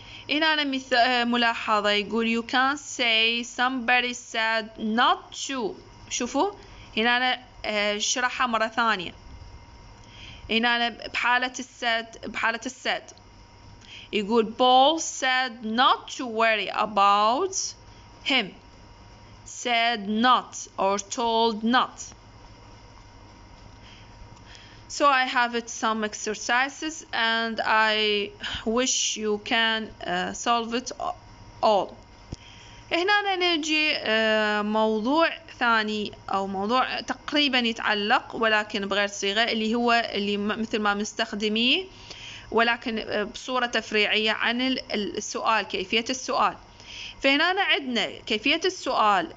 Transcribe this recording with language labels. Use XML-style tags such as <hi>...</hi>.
<ar>هنا أنا ملاحظة يقول</ar> <en>you can say somebody said not to.</en> <ar>شوفوا هنا أنا شرحها مرة ثانية. هنا أنا بحالة said. يقول</ar> <en>Paul said not to worry about him. Said not or told not. So I have it some exercises and I wish you can solve it all.</en> <ar>هنا نجي موضوع ثاني أو موضوع تقريبا يتعلق ولكن بغير صيغة اللي هو اللي مثل ما مستخدميه ولكن بصورة تفريعية عن السؤال كيفية السؤال. فهنا عندنا كيفية السؤال.</ar>